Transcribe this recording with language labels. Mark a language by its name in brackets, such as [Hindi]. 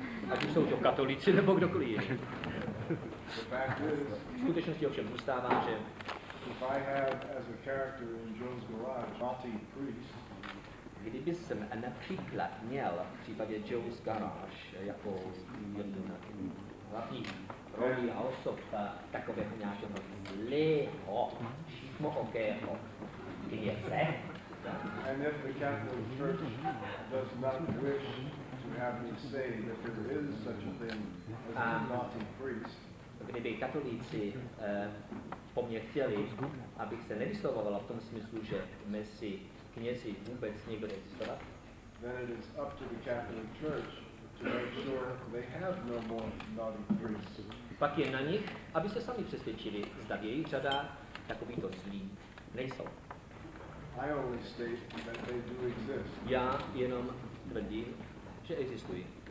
[Czech] Ať jsou to katolíci nebo kdokoliv. V skutečnosti ovšem zůstává, že [English] if I have as a character in Joe's Garage, naughty priest. [Czech] Kdyby jsem například měl v případě Joe's Garage jako jednu hlavní roli a osoba takového nějakého zlého, šikmookého kněze. [English] And if the Catholic Church does not wish to have me say that there is such a thing as a naughty priest. [Czech] Kdyby katolíci po mně chtěli, abych se nevyslovoval v tom smyslu, že mezi knězi vůbec někdo existovat, [English] then it is up to the Catholic Church to make sure they have no more naughty priests. [Czech] Pak je na nich, aby se sami přesvědčili, zda v jejich řadách takovýto zlí nejsou. [English] I only state that they do exist. [Czech] Já jenom tvrdím, že existují.